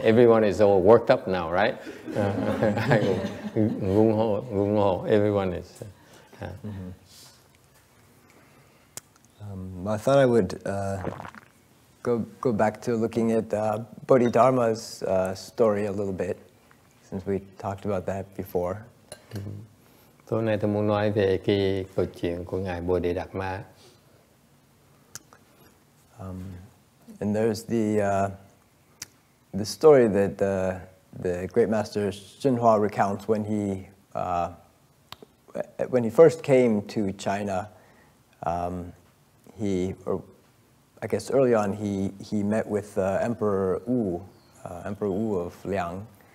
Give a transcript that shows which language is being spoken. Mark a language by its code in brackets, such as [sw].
[en] Everyone is all worked up now, right? Ai cũng gung ho. Everyone is. I thought I would go back to looking at Bodhidharma's story a little bit, since we talked about that before. [vi] Tối nay tôi muốn nói về cái câu chuyện của ngài Bodhidharma. [en] And there's the story that the great master Xinhua recounts when he first came to China. Early on he met with Emperor Wu of Liang.